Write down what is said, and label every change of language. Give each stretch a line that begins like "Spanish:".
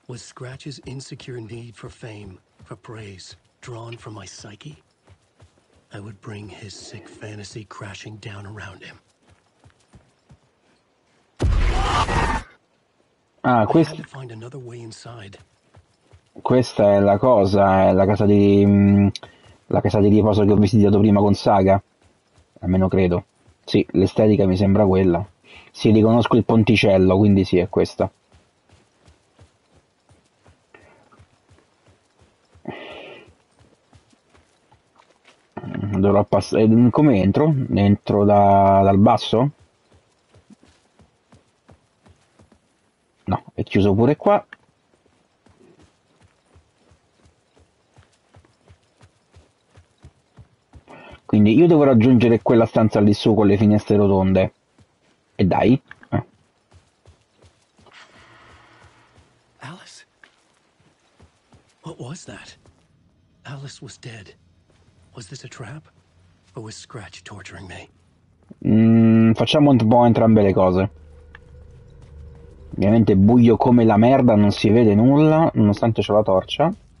English: Was Scratch's insecure need for fame, for praise, drawn from my psyche? I would bring his sick fantasy crashing down around him.
Italian: Ah, questo.
English: I had to find another way inside.
Italian: Questa è la cosa, è la casa di riposo che ho visitato prima con Saga, almeno credo. Sì, l'estetica mi sembra quella. Sì, riconosco il ponticello, quindi sì, è questa. Dovrò passare. Come entro? Entro dal basso? No, è chiuso pure qua. Quindi io devo raggiungere quella stanza lì su con le finestre rotonde. E dai.
English: Alice? What was that? Alice was dead. Was this a trap? Or was Scratch torturing me?
Italian: Facciamo un po' entrambe le cose. Ovviamente buio come la merda, non si vede nulla, nonostante c'è la torcia.